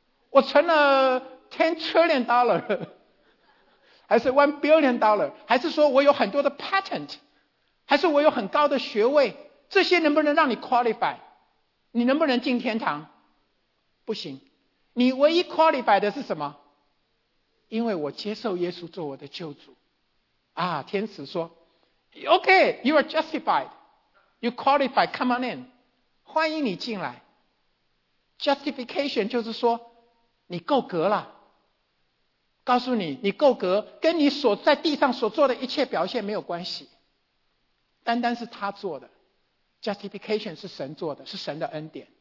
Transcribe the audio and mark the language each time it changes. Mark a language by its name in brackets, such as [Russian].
[Chinese] 我存了 $10 trillion， 还是 $1 billion， 还是说我有很多的 patent， 还是我有很高的学位，这些能不能让你 qualify？你能不能进天堂？不行。你唯一 qualify 的是什么？因为我接受耶稣做我的救主啊。天使说 [English] OK, you are justified. You qualify, come on in. [Chinese] 欢迎你进来。 Justification 就是说你够格了。告诉你，你够格，跟你所在地上所做的一切表现没有关系。单单是他做的。 Justification 是神做的，是神的恩典。